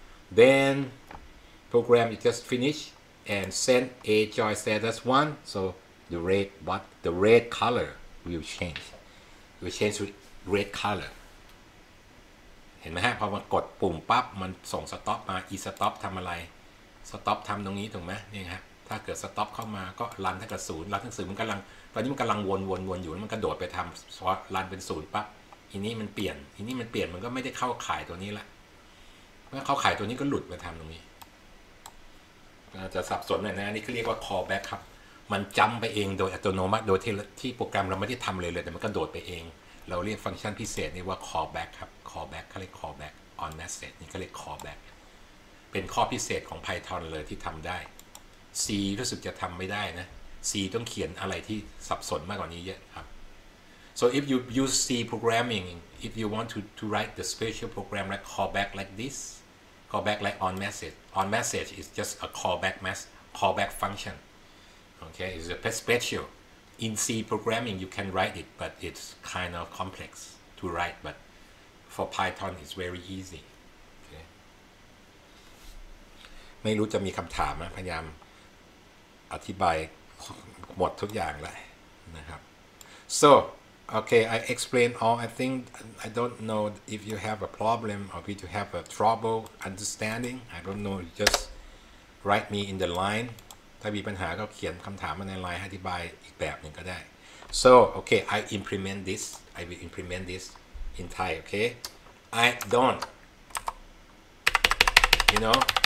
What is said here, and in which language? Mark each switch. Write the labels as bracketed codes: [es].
[en] Then program it just finish and send a joy status one. So the red but the red color will change. We change to red color [th] เห็นไหมฮะพอมากดปุ่มปั๊บมันส่ง stop มา e stop ทำอะไร stop ทำตรงนี้ถูกไหมนี่ฮะถ้าเกิด stop เข้ามาก็รันถ้าเกิดศูนย์รันถ้าศูนย์มันกำลังตอนนี้มันกำลังวนอยู่มันกระโดดไปทำรันเป็นศูนย์ปั๊บอันนี้มันเปลี่ยนมันก็ไม่ได้เข้าข่ายตัวนี้ละเมื่อเข้าข่ายตัวนี้ก็หลุดไปทำตรงนี้ จะสับสนหน่อยนะอันนี้เขาเรียกว่า callback ครับมันจำไปเองโดยอัตโนมัติโดยที่โปรแกรมเราไม่ได้ทำเลยแต่มันก็โดดไปเองเราเรียกฟังก์ชันพิเศษนี้ว่า callback ครับ callback เขาเรียก callback on message นี่เขาเรียก callback เป็นข้อพิเศษของ Python เลยที่ทำได้ C รู้สึกจะทำไม่ได้นะ C ต้องเขียนอะไรที่สับสนมากกว่านี้เยอะครับ [en] so if you use C programming if you want to write the special program like callback like this callback like on message is just a callback callback functionOkay, it's a special. In C programming, you can write it, but it's kind of complex to write. But for Python, it's very easy. [th] Okay. ไม่รู้จะมีคำถามไหมพยายามอธิบายหมดทุกอย่างแล้วนะครับ [en] So, okay, I explain all. I think I don't know if you have a problem or if you have a trouble understanding. I don't know. Just write me in the line. [th] ถ้ามีปัญหาก็เขียนคำถามมาในไลน์อธิบายอีกแบบหนึ่งก็ได้ [en] so okay I will implement this in Thai okay I don't you know